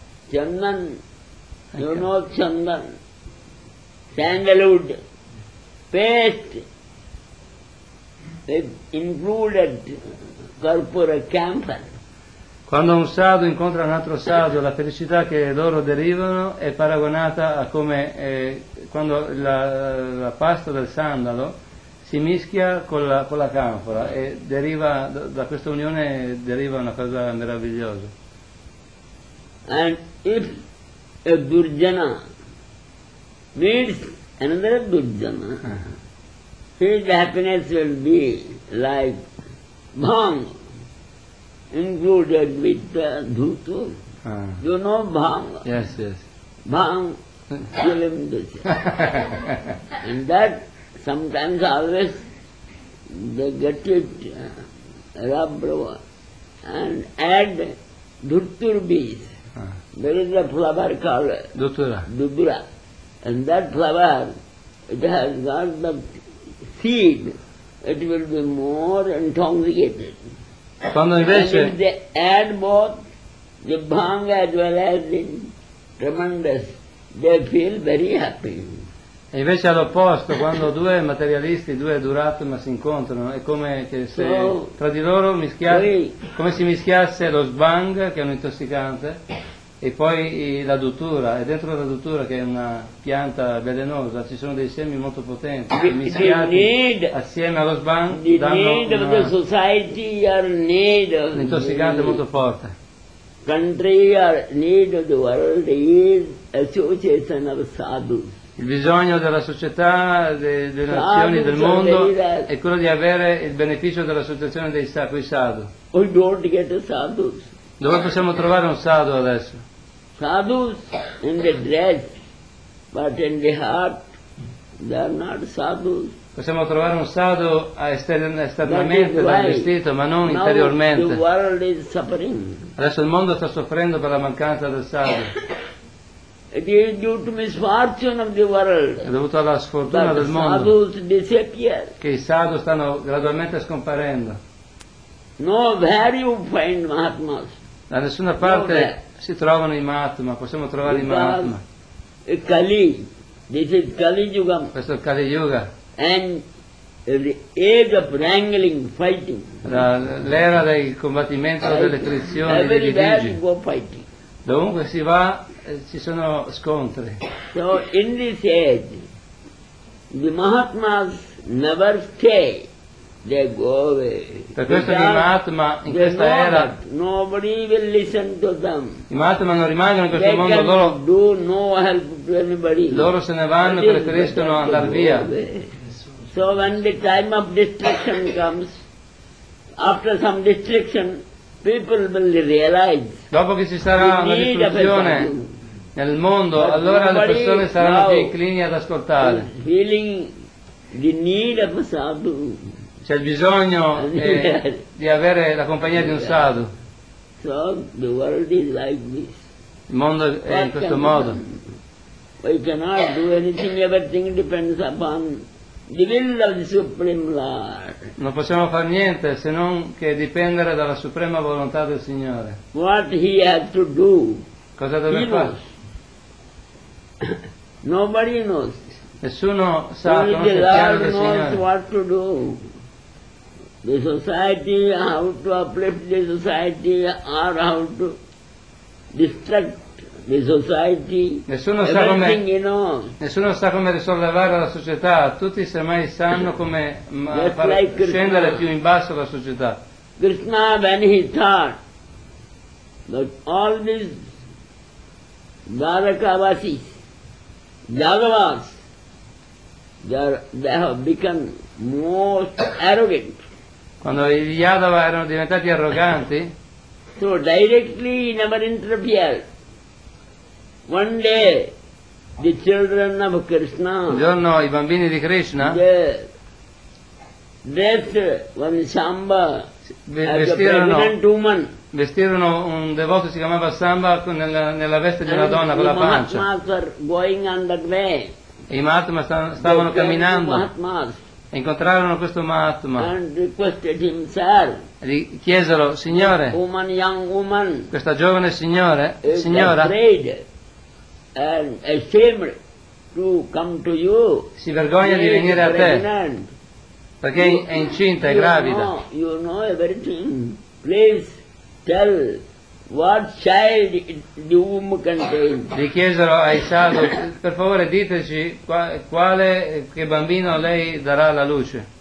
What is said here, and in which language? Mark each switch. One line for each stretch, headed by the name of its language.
English: Chandan, you know chandan, sandalwood, paste, included corpora camphor.
Italian: Quando un sadhu incontra un altro sadhu, la felicità che loro derivano è paragonata a come quando la pasta del sandalo si mischia con la canfora e deriva da questa unione deriva una cosa meravigliosa.
English: And if a durjana meets another durjana, his happiness will be like bhang included with dhutu. You know bhang? Yes, yes. Bhang kilim dhutu. And that sometimes always they get it rabrava and add dhutur bees. There is a flower called Dutura. Dutura. And that flower, it has got the seed, it will be more intoxicated.
Italian: Quando invece...
English: And if they add both the bhanga as well as the tremendous, they feel very happy.
Italian: E invece all'opposto, quando due materialisti, due duratma si incontrano, è come che se tra di loro mischiassero, come si mischiasse lo sbang, che è un intossicante, e poi la dutura, e dentro la dutura, che è una pianta velenosa, ci sono dei semi molto potenti, mischiati assieme allo sbang, danno un intossicante molto forte.
English: Country or need of the world is association of sadhus.
Italian: Il bisogno della società, delle nazioni, del mondo è quello di avere il beneficio dell'associazione dei sacri sadhu.
English: We don't get a sadhu.
Italian: Dove possiamo trovare un sadhu adesso?
English: Sadhu in the dress, but in the heart they are not sadhu.
Italian: Possiamo trovare un sadhu esternamente dal vestito, ma non
English: now
Italian: interiormente.
English: The world is suffering.
Italian: Adesso il mondo sta soffrendo per la mancanza del sadhu.
English: It is due to misfortune of the world.
Italian: È dovuto alla sfortuna
English: that
Italian: del mondo.
English: Sadhus disappear.
Italian: Che i sadhu stanno gradualmente scomparendo.
English: No, where you find mahatmas?
Italian: Da nessuna parte
English: no,
Italian: si trovano i mahatma. Possiamo trovare
English: because
Italian: i mahatma.
English: Kali. This is Kali Yuga.
Italian: Questo è il Kali Yuga.
English: And the age of wrangling, fighting.
Italian: L'era del combattimento, delle frizioni, dei litigi.
English: Everywhere you go fighting.
Italian: Dovunque si va ci sono scontri.
English: So in this age the mahatmas never stay, they go away.
Italian: Per questo i mahatma in questa era
English: nobody will listen to them.
Italian: I mahatma non rimangono in questo mondo, loro
English: do no help to anybody.
Italian: Loro se ne vanno, preferiscono andare via.
English: So when the time of destruction comes, after some destruction people will realize.
Italian: Dopo che ci sarà una distruzione nel mondo,
English: but
Italian: allora le persone saranno più inclini ad ascoltare.
English: Feeling the need of a sadhu.
Italian: C'è il bisogno di avere la compagnia di un sadhu.
English: So the world is like this.
Italian: Il mondo è
English: what
Italian: in questo modo.
English: We cannot do anything, everything depends upon the will of the Supreme Lord.
Italian: Non possiamo fare niente se non che dipendere dalla suprema volontà del Signore.
English: What he has to do?
Italian: Cosa deve fare?
English: Nobody knows.
Italian: Nessuno sa cosa deve fare.
English: Knows what to do. the society, how to uplift the society, or how to destruct the society.
Italian: Nessuno sa come,
English: you know.
Italian: Nessuno sa come risollevare la società, tutti semmai sanno come
English: like
Italian: scendere Krishna. Più in basso la società.
English: Krishna, when he thought that all these Dwarakavasis, Jagavas, they have become most arrogant.
Italian: Quando i Yadava erano diventati arroganti,
English: so directly he never interfered. One day, the children of Krishna,
Italian: un giorno i bambini di Krishna,
English: dressed one Samba as a pregnant woman.
Italian: Vestirono un devoto si chiamava Samba nella veste di una donna con la pancia.
English: Going on that way.
Italian: E i Mahatma stavano camminando. E incontrarono questo Mahatma.
English: And requested him, sir,
Italian: e gli chiesero, signore,
English: woman, young woman,
Italian: questa giovane signore, signora,
English: afraid and ashamed to come to you.
Italian: Si vergogna di venire a te. Perché è incinta, è gravida.
English: You know everything. Please tell what child the womb contains.
Italian: Gli chiesero ai sadhu, per favore diteci quale che bambino lei darà alla luce.